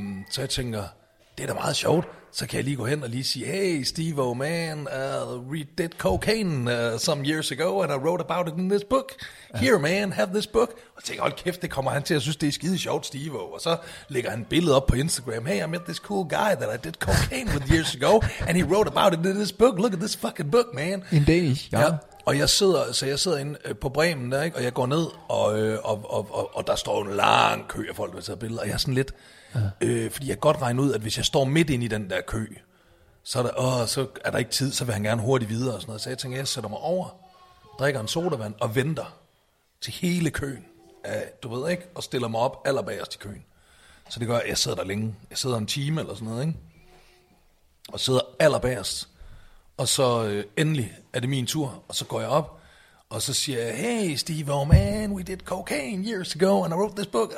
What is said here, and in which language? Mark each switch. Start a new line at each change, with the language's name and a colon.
Danish: Så jeg tænker, det er da meget sjovt. Så kan jeg lige gå hen og lige sige,
English: hey, Steve-O, man, we did cocaine some years ago, and I wrote about it in this book. Here, man, have this book.
Danish: Og tænker, hold kæft, det kommer han til at synes, det er skide sjovt, Steve-O. Og så lægger han et billede op på Instagram.
English: Hey, I met this cool guy that I did cocaine with years ago, and he wrote about it in this book. Look at this fucking book, man.
Danish: En dag, ja. Og jeg sidder inde på Bremen der, ikke? Og jeg går ned, og der står en lang kø af folk, der tager billeder, og jeg er sådan lidt... Ja. Fordi jeg godt regner ud, at hvis jeg står midt ind i den der kø, så er der ikke tid, så vil han gerne hurtigt videre og sådan noget. Så jeg tænker, jeg sætter mig over, drikker en sodavand og venter til hele køen, du ved ikke, og stiller mig op allerbagerst i køen. Så det gør, at jeg sidder der længe. Jeg sidder en time eller sådan noget, ikke? Og sidder allerbagerst. Og så endelig er det min tur, og så går jeg op. Og så siger jeg,
English: hey Steve, oh man, we did cocaine years ago, and I wrote this book.